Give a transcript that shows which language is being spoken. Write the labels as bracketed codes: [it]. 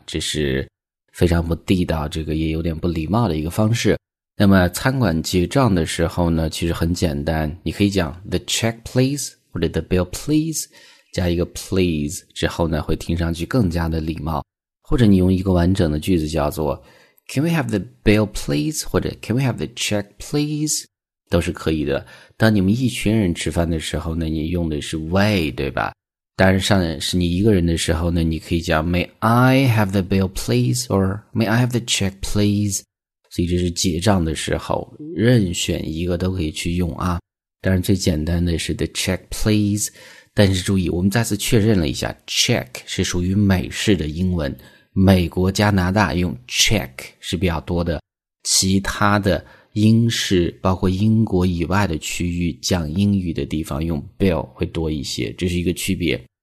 [zh] 这是非常不地道，这个也有点不礼貌的一个方式。那么餐馆结账的时候呢，其实很简单，你可以讲 The check please 或者 The bill please。加一个 please 之后呢，会听上去更加的礼貌。或者你用一个完整的句子叫做 Can we have the bill please? [en] 或者 Can we have the check please? [zh] 都是可以的。当你们一群人吃饭的时候呢，你用的是 way, 对吧？当然上是你一个人的时候呢，你可以讲 May I have the bill please? [en] Or May I have the check please? [zh] 所以这是结账的时候，任选一个都可以去用啊。当然最简单的是 the check please, 但是注意，我们再次确认了一下 check 是属于美式的英文，美国加拿大用 check 是比较多的，其他的英式包括英国以外的区域讲英语的地方用 bill 会多一些，这是一个区别。